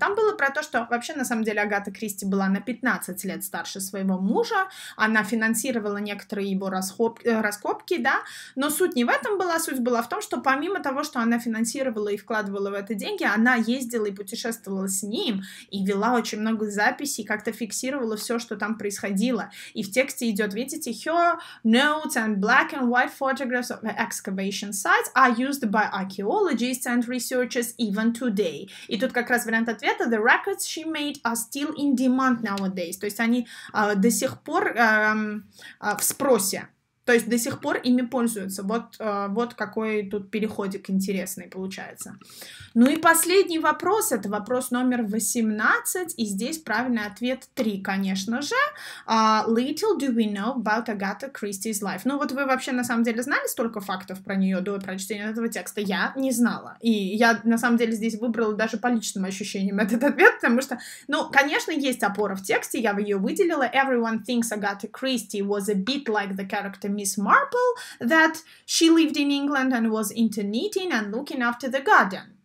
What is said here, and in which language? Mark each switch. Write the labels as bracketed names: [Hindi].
[Russian] Там было про то, что вообще на самом деле Агата Кристи была на 15 лет старше своего мужа, она финансировала некоторые его раскопки, да, но суть не в этом была, суть была в том, что помимо того, что она финансировала и вкладывала в это деньги, она ездила и путешествовала с ним, и вела очень много записей, как-то фиксировала все, что там происходило. И в тексте идет, видите, [English] here notes and black and white photographs of excavation sites are used by archaeologists and researchers even today. [Russian] И тут как раз вариант ответа, [English] the records she made are still in demand nowadays. [Russian] То есть они до сих пор в спросе. То есть до сих пор ими пользуются. Вот какой тут переходик интересный получается. Ну и последний вопрос, это вопрос номер 18, и здесь правильный ответ 3, конечно же. [English] Little do we know about Agatha Christie's life. [Russian] Ну вот вы вообще на самом деле знали столько фактов про нее до прочтения этого текста? Я не знала. И я на самом деле здесь выбрала даже по личным ощущениям этот ответ, потому что, ну, конечно, есть опора в тексте, я ее выделила. [English] Everyone thinks Agatha Christie was a bit like the character Miss Marple, that she lived in England and was into knitting and looking after the garden.